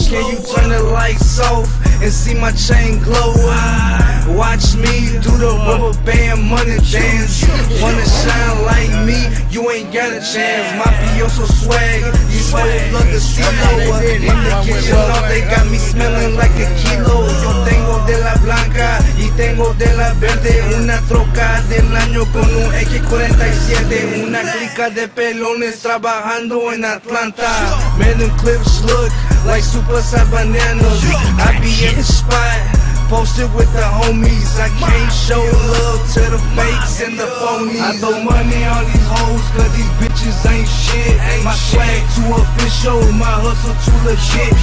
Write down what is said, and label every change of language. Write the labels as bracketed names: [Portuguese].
[English] Can you turn the lights off and see my chain glow? Watch me do the rubber band money dance. Wanna shine like me, you ain't got a chance. My P.O. so swag, you swag, love the C.O. In the kitchen, all they got me smelling like a kilo. [Spanish] Yo tengo de la blanca, y tengo de la verde. Una troca del año con un X-47. Una clica de pelones trabajando en Atlanta. [English] Man, them clips look like super side bananas. I be in the spot, posted with the homies. I can't show love to the fakes and the phonies. I throw money on these hoes, cause these bitches ain't shit. My swag too official, my hustle too legit.